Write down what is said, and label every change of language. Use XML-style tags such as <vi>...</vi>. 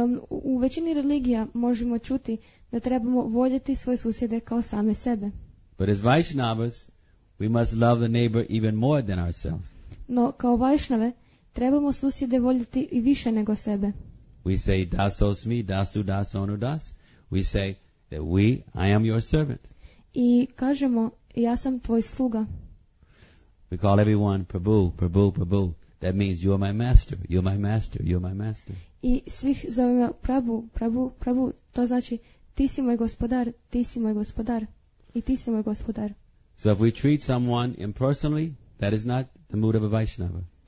<hr>U većini religija možemo čuti da trebamo voljeti svoje susjede kao same sebe.</hr> <en>But as Vaishnavas, we must love the neighbor even more than ourselves.</en> <hr>No, kao Vaishnave, trebamo susjede voljeti i više nego sebe.</hr> <en>We say,</en> <sa>daso smi, dasu, dasonu, das.</sa> <en>We say that I am your servant.</en> <hr>I kažemo, ja sam tvoj sluga.</hr> <en>We call everyone Prabhu, Prabhu, Prabhu. That means you are my master, you are my master, you are my master.</en> <hr>I svih zovemo Prabhu, Prabhu, Prabhu. To znači, ti si moj gospodar, ti si moj gospodar, i ti si moj gospodar.</hr> <en>So if we treat someone impersonally, that is not the mood of a Vaishnava.</en>